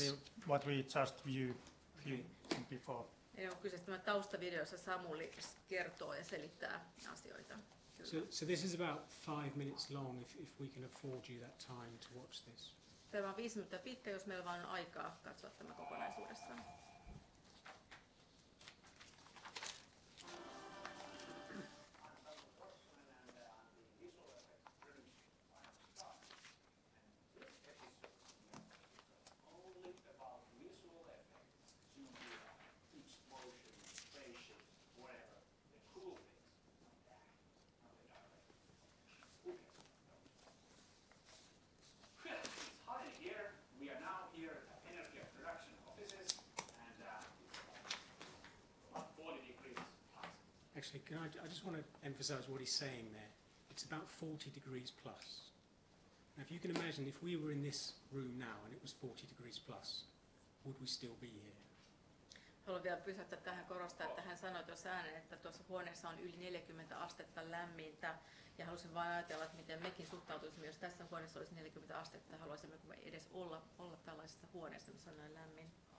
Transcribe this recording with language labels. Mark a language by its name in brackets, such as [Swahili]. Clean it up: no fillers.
[English] Exactly what we just viewed before. [Finnish] Joo, kyseessä tämä taustavideo, jossa Samuli kertoo ja selittää asioita. [English] So this is about 5 minutes long, if we can afford you that time to watch this. [Finnish] Tämä on 5 minuuttia pitkä, jos meillä vaan on aikaa katsoa tämä kokonaisuudessaan. [English] Actually, can I just want to emphasize what he's saying there. It's about 40 degrees plus. Now, if you can imagine, if we were in this room now and it was 40 degrees plus, would we still be here? [Finnish] Haluan vielä pysäyttää tähän, korostaa, että hän sanoi tuossa ääneen, että tuossa huoneessa on yli 40 astetta lämmintä. Ja halusin vain ajatella, että miten mekin suhtautuisimme, jos tässä huoneessa olisi 40 astetta. Haluaisimme edes olla tällaisessa huoneessa, missä on näin lämmin.